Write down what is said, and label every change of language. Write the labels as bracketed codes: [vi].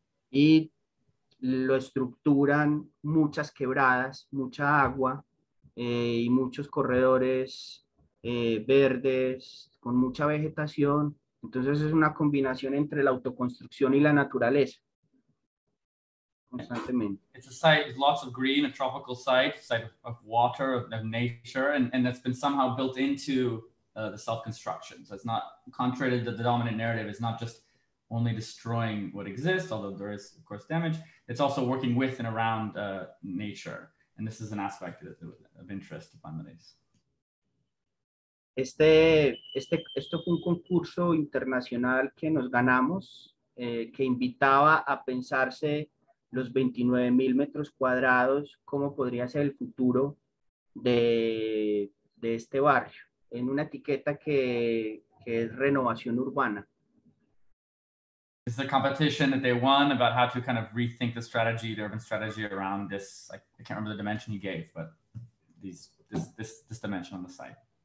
[es] Y lo estructuran muchas quebradas, mucha agua y muchos corredores verdes con mucha vegetación. Entonces es una combinación entre la autoconstrucción y la naturaleza. [en] It's a site with lots of green, a tropical site of water, of nature, and that's been somehow built into the self-construction. So it's not, contrary to the dominant narrative, it's not just only destroying what exists, although there is, of course, damage. It's also working with and around nature. And this is an aspect of interest to families. [es] Esto fue un concurso internacional que nos ganamos, que invitaba a pensarse los 29,000 metros cuadrados, cómo podría ser el futuro de este barrio, en una etiqueta que es renovación urbana. [en] This is a competition that they won about how to kind of rethink the strategy, the urban strategy around this. I can't remember the dimension he gave, but this dimension on the site.